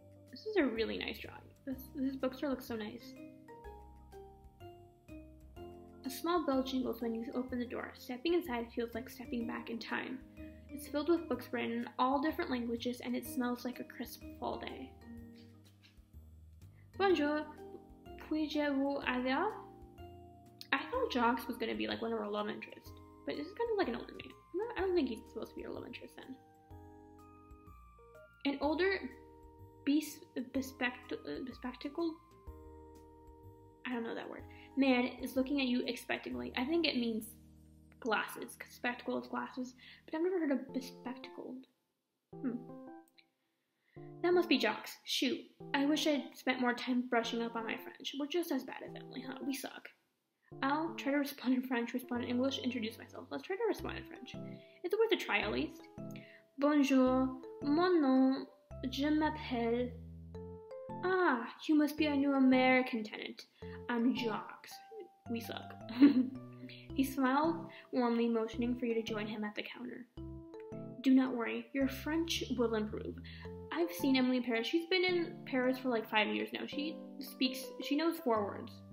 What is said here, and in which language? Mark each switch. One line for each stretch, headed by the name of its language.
English: This is a really nice drawing. This bookstore looks so nice. A small bell jingles when you open the door. Stepping inside feels like stepping back in time. It's filled with books written in all different languages, and it smells like a crisp fall day.
French: Bonjour, puis-je vous aider?
English: I thought Jocks was going to be like one of our love interests, but this is kind of like an older man. I don't think he's supposed to be your love interest then. An older, bespectacled, I don't know that word, man is looking at you expectantly. I think it means glasses, because spectacles, glasses, but I've never heard of bespectacled. That must be Jocks. Shoot, I wish I'd spent more time brushing up on my French. We're just as bad as Emily, huh? We suck. I'll try to respond in French, respond in English, introduce myself. Let's try to respond in French. Is it worth a try, at least?
French: Bonjour, mon nom, je m'appelle...
English: Ah, you must be a new American tenant. I'm Jocks. We suck. He smiled warmly, motioning for you to join him at the counter. Do not worry, your French will improve. I've seen Emily in Paris. She's been in Paris for like 5 years now. She knows 4 words.